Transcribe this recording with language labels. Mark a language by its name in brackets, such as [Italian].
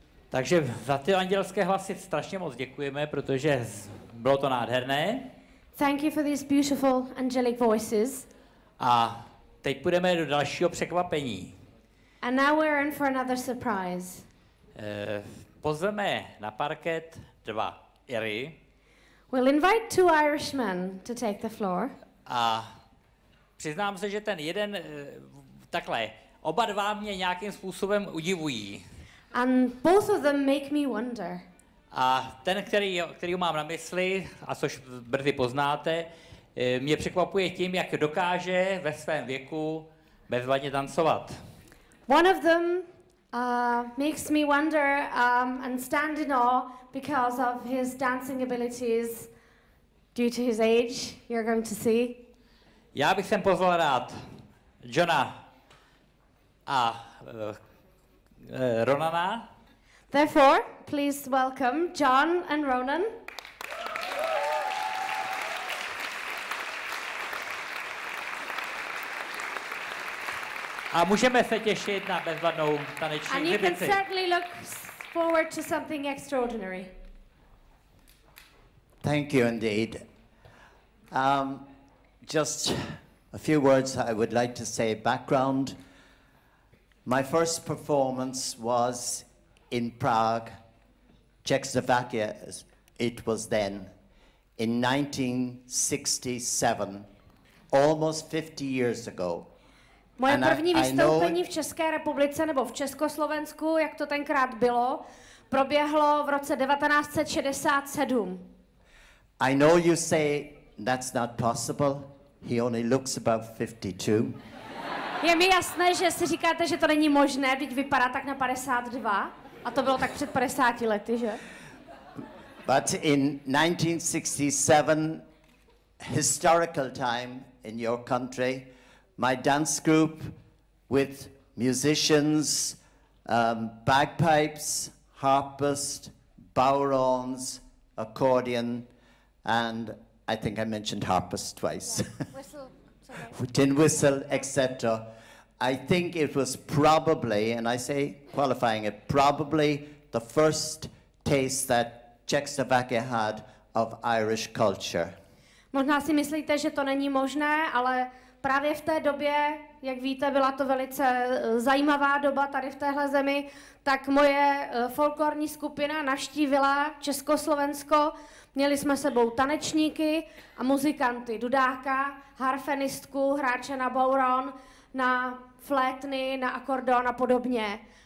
[Czech] Takže za ty andělské hlasy strašně moc děkujeme, protože bylo to nádherné. [English] Thank you for these beautiful angelic voices. [Czech] A teď půjdeme do dalšího překvapení. [English] And now we're in for another surprise. [Czech] Pozveme na parket dva Iry. [English] We'll invite two Irishmen to take the floor. [Czech] A přiznám se, že ten jeden, takhle, oba dva mě nějakým způsobem udivují. [English] And both of them make me wonder. [Czech] A ten, který mám na mysli, a což brzy poznáte, mě překvapuje tím, jak dokáže ve svém věku bezvadně tancovat. [English] One of them makes me wonder and stand in awe because of his dancing abilities due to his age, you're going to see. [Czech] Já bych sem pozval rád Johna a Ronana. [English] Therefore, please welcome John and Ronan. [Czech] A můžeme se těšit na bezvadnou taneční exhibici. [English] And you can certainly look forward to something extraordinary. Thank you indeed. Just a few words I would like to say background. My first performance was in Prague, Czechoslovakia, as it was then, in 1967, almost 50 years ago. [Czech] Moje první vystoupení v České republice nebo v Československu, jak to tenkrát bylo, proběhlo v roce 1967. [English] I know you say that's not possible. He only looks about 52. [Czech] Je mi jasné, že si říkáte, že to není možné, teď vypadá tak na 52. A to bylo tak před 50 lety, že? [English] But in 1967, historical time in your country, my dance group with musicians, bagpipes, harpists, baurons, accordion, and I think I mentioned harpists twice. Tin whistle, etc. I think it was probably, and I say qualifying it, probably the first taste that Czechoslovakia had of Irish culture. [Czech] Možná si myslíte, že to není možné, ale právě v té době, jak víte, byla to velice zajímavá doba tady v téhle zemi, tak moje folklorní skupina navštívila Československo. Měli jsme sebou tanečníky a muzikanty, dudáka, harfenistku, hráče na bouron, na flétny, na akordeon a podobně.